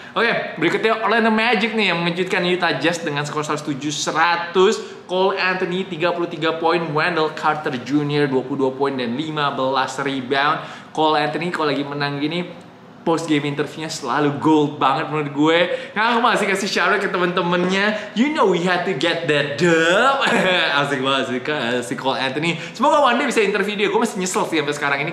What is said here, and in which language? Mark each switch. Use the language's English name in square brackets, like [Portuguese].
[Indonesian] Oke, okay, berikutnya Orlando Magic nih yang mengejutkan Utah Jazz dengan skor 107-100. Cole Anthony 33 poin, Wendell Carter Jr. 22 poin dan 15 rebound. Cole Anthony kalau lagi menang gini post game interviewnya selalu gold banget menurut gue. Nah, aku masih kasih shout out ke temen-temennya. [English] You know we had to get that dub. [Indonesian] Asik banget sih si Cole Anthony. Semoga one day bisa interview dia. Gue masih nyesel sih sampai sekarang ini.